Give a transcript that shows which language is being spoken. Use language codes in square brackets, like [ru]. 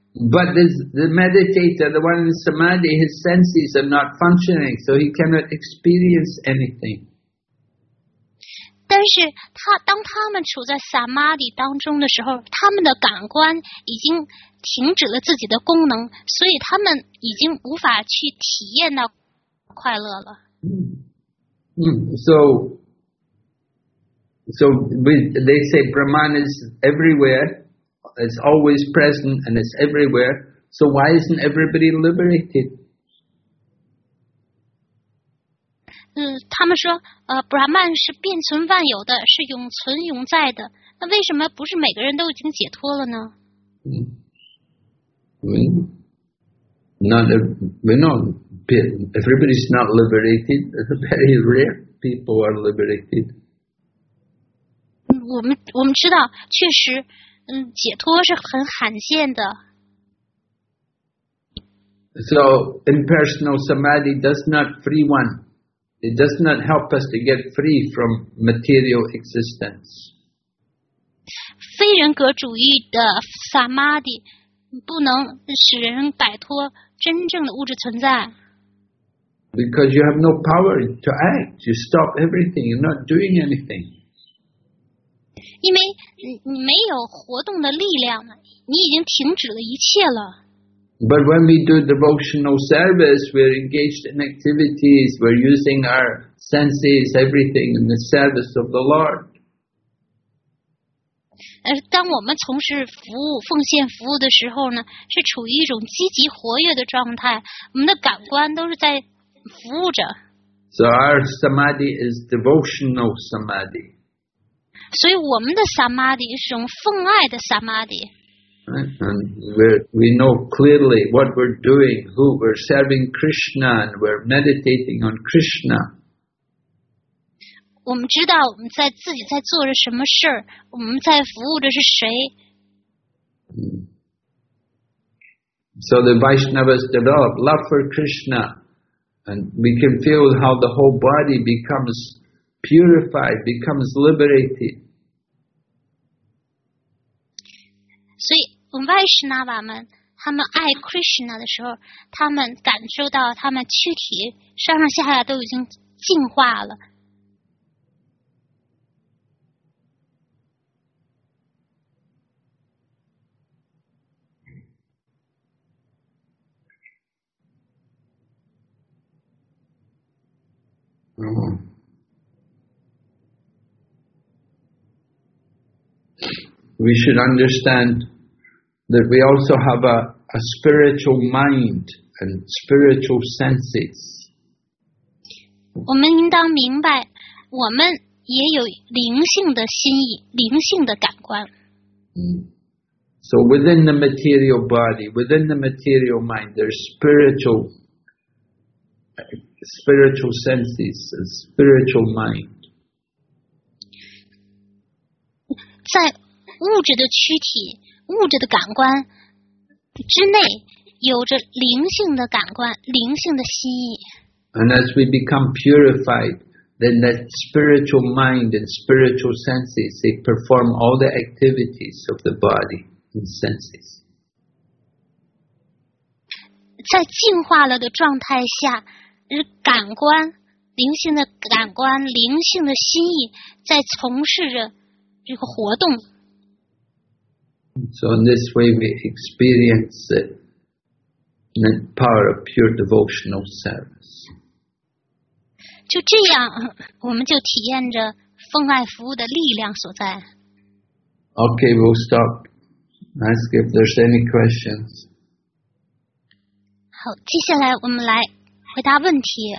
[en] But the meditator, the one in samadhi, his senses are not functioning, so he cannot experience anything. [zh] 但是他们处在samadhi当中的时候，他们的感官已经停止了自己的功能，所以他们已经无法去体验到快乐了。 [en] So So they say Brahman is everywhere, it's always present and it's everywhere. So why isn't everybody liberated? [zh] 他们说Brahman 是遍存万有的，是永存永在的。那为什么不是每个人都已经解脱了呢？ [en] Everybody's not liberated. Very rare people are liberated. [zh] 我们知道，确实，解脱是很罕见的。 [en] So impersonal samadhi does not free one. It does not help us to get free from material existence. [zh] 非人格主义的萨玛迪不能使人摆脱真正的物质存在。 [en] Because you have no power to act, you stop everything, you're not doing anything. [zh] 因为你没有活动的力量，你已经停止了一切了。 [en] But when we do devotional service, we're engaged in activities, we're using our senses, everything in the service of the Lord. [zh] 当我们从事服务、奉献服务的时候呢，是处于一种积极活跃的状态，我们的感官都是在服务着。 [en] So our samadhi is devotional samadhi. [zh] 所以我们的 samadhi 是一种奉爱的 samadhi. [en] And we know clearly what we're doing, who we're serving Krishna, and we're meditating on Krishna. [zh] 我们知道我们在自己在做着什么事儿，我们在服务着是谁。 [en] So the Vaishnavas develop love for Krishna, and we can feel how the whole body becomes purified, becomes liberated. [zh] 所以，我们 Vaishnava 们，他们爱 Krishna 的时候，他们感受到他们躯体上上下下都已经进化了。 [en] We should understand that we also have a spiritual mind and spiritual senses. [zh] 我们应当明白，我们也有灵性的心意，灵性的感官。 [en] So within the material body, within the material mind, there's spiritual senses, and spiritual mind. [zh] 在物质的躯体、物质的感官之内，有着灵性的感官、灵性的心意。 [en] And as we become purified, then that spiritual mind and spiritual senses, they perform all the activities of the body and senses. [zh] 在净化了的状态下，感官、灵性的感官、灵性的心意在从事着这个活动。 [en] So in this way we experience the power of pure devotional service. [zh] 就这样我们就体验着奉爱服务的力量所在。 [en] Okay, we'll stop. Ask if there's any questions. [zh] 好，接下来我们来回答问题。